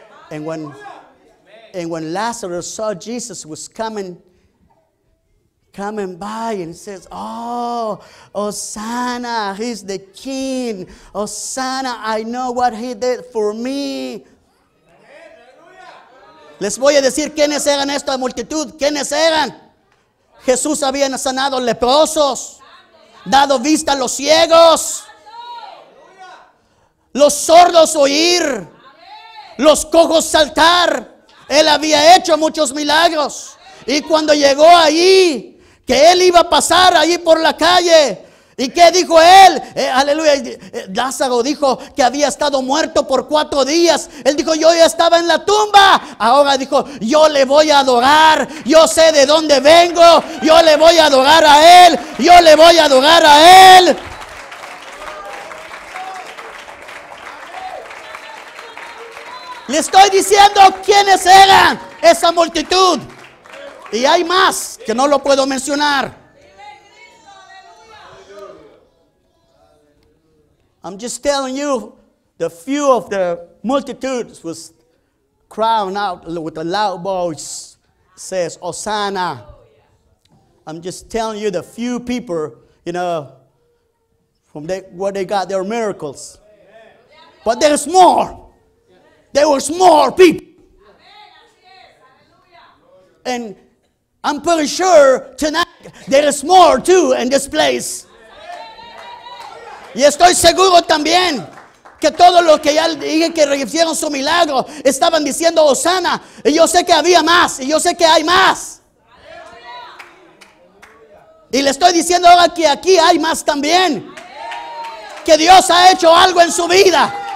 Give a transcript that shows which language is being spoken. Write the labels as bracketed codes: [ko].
[en] And when Lazarus saw Jesus was coming by and says, "Oh, Hosanna, he's the king. Hosanna, I know what he did for me." [es] Les voy a decir quiénes eran esta multitud. ¿Quiénes eran? Jesús había sanado leprosos, dado vista a los ciegos, los sordos oír, los cojos saltar. Él había hecho muchos milagros. Y cuando llegó ahí, que él iba a pasar ahí por la calle, ¿y qué dijo él? Aleluya. Lázaro dijo que había estado muerto por 4 días. Él dijo, yo ya estaba en la tumba. Ahora dijo, yo le voy a adorar. Yo sé de dónde vengo. Yo le voy a adorar a él. Yo le voy a adorar a él. Le estoy diciendo quiénes eran esa multitud. Y hay más que no lo puedo mencionar. [en] I'm just telling you, the few of the multitudes was crying out with a loud voice, says, Hosanna. I'm just telling you, the few people, you know, from where they got their miracles. But there's more. There was more people. And I'm pretty sure tonight there is more too in this place. [es] Y estoy seguro también que todos los que ya dije que recibieron su milagro estaban diciendo Hosanna. Y yo sé que había más. Y yo sé que hay más. Y le estoy diciendo ahora que aquí hay más también. Que Dios ha hecho algo en su vida.